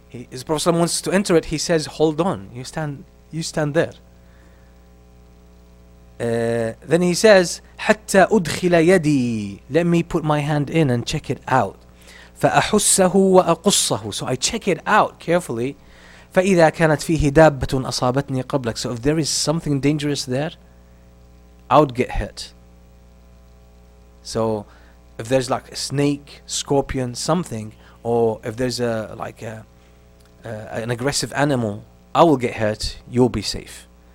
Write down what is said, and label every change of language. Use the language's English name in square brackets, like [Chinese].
[English] As the Prophet ﷺ wants to enter it, he says, hold on, you stand there. Then he says, [Arabic] حتى أدخل يدي. [English] Let me put my hand in and check it out. [Arabic] فأحسه وأقصه. [English] So I check it out carefully. [Arabic] فإذا كانت فيه دابة أصابتني قبلك. [English] So if there is something dangerous there, I would get hit. So if there's like a snake, scorpion, something, or if there's a like a an aggressive animal, I will get hurt, you'll be safe.